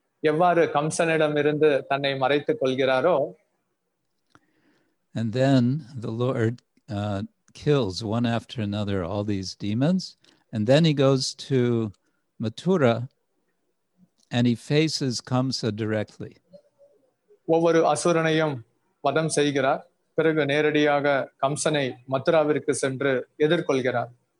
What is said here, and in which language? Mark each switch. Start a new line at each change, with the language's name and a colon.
Tamil: எவ்வாறு கம்சனிடம் இருந்து தன்னை மறைத்துக் கொள்கிறாரோ.
English: And then the Lord kills one after another all these demons, and then he goes to Mathura and he faces Kamsa directly.
Tamil: ஒவ்வொரு அசுரனையும் வதம் செய்கிறார் பிறகு நேரடியாக கம்சனை மதுராவிற்கு சென்று எதிர்கொள்கிறார்.